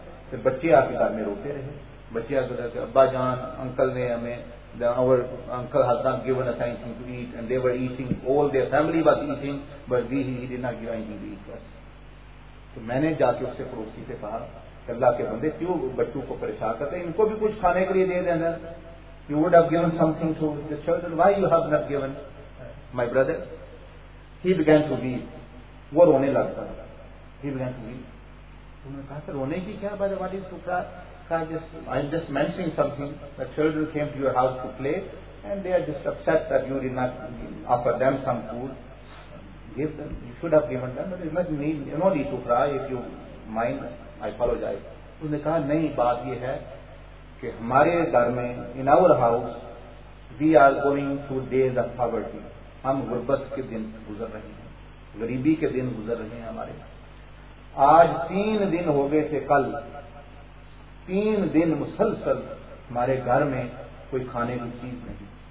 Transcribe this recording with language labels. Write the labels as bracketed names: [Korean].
[Urdu] پھر بچے آ کے گھر میں روتے رہے, بچے آ کے کہ ابا جان انکل نے ہمیں [English] our uncle has not given us anything to eat and they were eating, all their family was eating but he did not give anything to eat us. [Urdu] تو میں نے جا کے اس سے پڑوسی سے کہا کہ اللہ کے بندے کیوں بچوں کو پریشان کرتے ہیں, ان کو بھی کچھ کھانے کے لیے دے دینا. [English] You would have given something to the children, why you have not given? My brother, he began to weep. [Urdu] وہ رونے لگتا تھا. [English] He began to weep. [Urdu] انہوں نے کہا رونے کی کیا بات, what is سوکھا. [English] I'm just mentioning something, the children came to your house to play and they are just upset that you did not offer them some food. Give them, you should have given them, but it's not me, you know, need to cry, if you mind, I apologize. [Urdu] اس نے کہا نہیں, بات یہ ہے کہ ہمارے گھر میں [English] in our house we are going through days of poverty. [Urdu] ہم غربت کے دن گزر رہے ہیں, غریبی کے دن گزر رہے ہیں ہمارے. آج 3 دن ہو گئے تھے کل, 3 دن مسلسل ہمارے گھر میں کوئی کھانے کی چیز نہیں.